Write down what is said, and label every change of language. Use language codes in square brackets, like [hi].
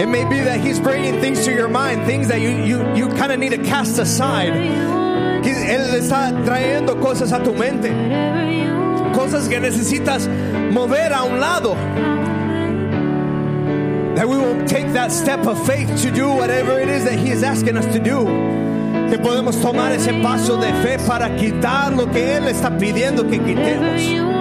[en] It may be that He's bringing things to your mind, things that you kind of need to cast aside. [es] Él está trayendo cosas a tu mente, cosas que necesitas mover a un lado. [en] That we will take that step of faith to do whatever it is that He is asking us to do. [es] Que podemos tomar ese paso de fe para quitar lo que Él está pidiendo que quitemos.